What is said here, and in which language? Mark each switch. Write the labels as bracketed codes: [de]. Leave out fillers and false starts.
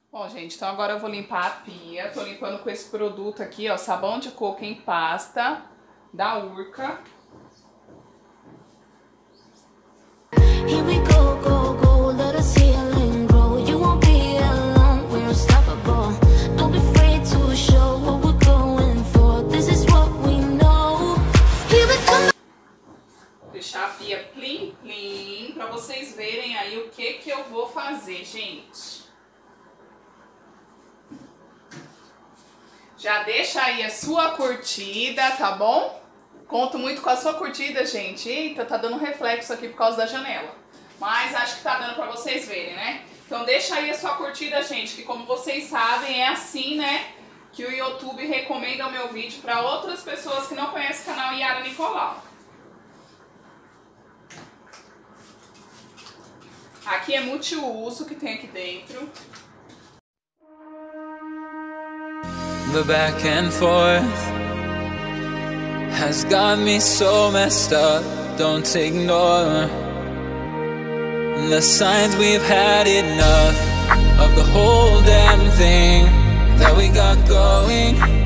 [pt] Gente, então agora eu vou limpar a pia. Tô limpando com esse produto aqui, ó, sabão de coco em pasta da Urca. [en] Here we go, go, go, let us heal and grow. You won't be alone, we're unstoppable. Don't be afraid to show what we're going for. This is what we know. Here we come. [pt] Deixar a pia plim plim pra vocês verem aí o que que eu vou fazer, gente. Já deixa aí a sua curtida, tá bom? Conto muito com a sua curtida, gente. Eita, tá dando reflexo aqui por causa da janela. Mas acho que tá dando pra vocês verem, né? Então deixa aí a sua curtida, gente. Que como vocês sabem, é assim, né? Que o YouTube recomenda o meu vídeo pra outras pessoas que não conhecem o canal Yara Nicolau. Aqui é multiuso que tem aqui dentro. [en] The back and forth has got me so messed up. Don't ignore the signs, we've had enough of the whole damn thing that we got going.